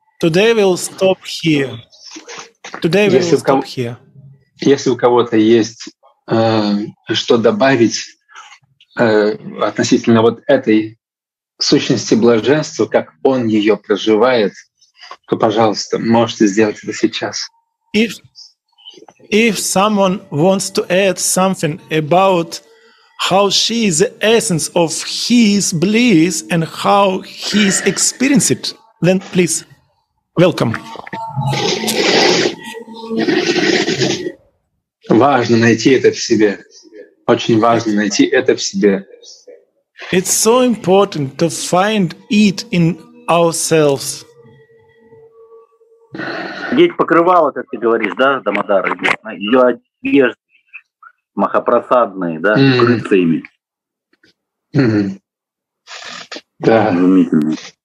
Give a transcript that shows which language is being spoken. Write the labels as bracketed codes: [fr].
[en] Today we'll stop here. Today we'll stop here. [ru] Если у кого-то есть что добавить относительно вот этой сущности блаженства, как он ее проживает, то, пожалуйста, можете сделать это сейчас. [en] If someone wants to add something about how she is the essence of his bliss and how he's experienced it, then please welcome. [ru] Важно найти это в себе. Очень важно найти это в себе. [en] It's so important to find it in ourselves. [ru] Деть покрывало, как ты говоришь, да, Дамодара? Ее одежды махапрасадные, да, крыльцами. Да. Изумительно.